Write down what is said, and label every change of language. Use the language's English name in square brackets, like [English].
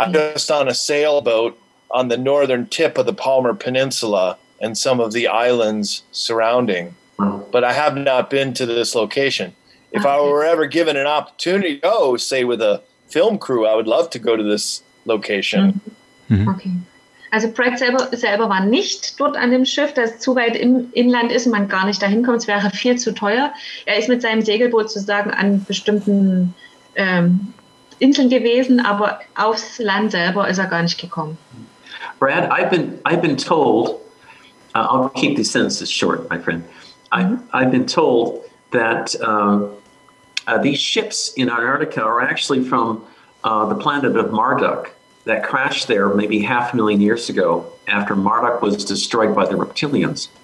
[English] I'm just on a sailboat on the northern tip of the Palmer Peninsula and some of the islands surrounding. But I have not been to this location. If I were ever given an opportunity to go, say, with a film crew, I would love to go to this location. Okay. [German] Also Brad selber war nicht dort an dem Schiff, das zu weit im Inland ist und man gar nicht dahin kommt. Es wäre viel zu teuer. Er ist mit seinem Segelboot sozusagen an bestimmten Inseln gewesen, aber aufs Land selber ist er gar nicht gekommen. [English] Brad, I've been told, I'll keep these sentences short, my friend. I've been told that these ships in Antarctica are actually from the planet of Marduk that crashed there maybe 500,000 years ago after Marduk was destroyed by the reptilians.